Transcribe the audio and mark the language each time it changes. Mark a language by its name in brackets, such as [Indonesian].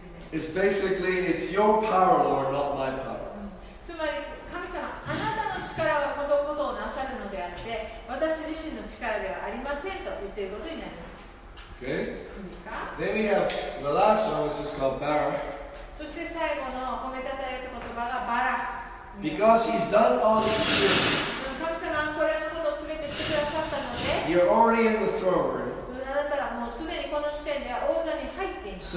[English] It's basically, it's your power, Lord, not my power. [Japanese] つまり神様、あなたの力はこのことをなさるのであって、私自身の力ではありませんと言っていることになります。 [English] Okay. [Japanese] いいですか? [English] Then we have the last one, which is called Barak. [Japanese] そして最後の褒めたたえる言葉がバラク。 [English] Because he's done all this for you. [Japanese] 神様はこれのことを全てしてくださったので、 [English] You're already in the throne room. [Japanese] あなたはもうすでにこの時点では王座に入っています。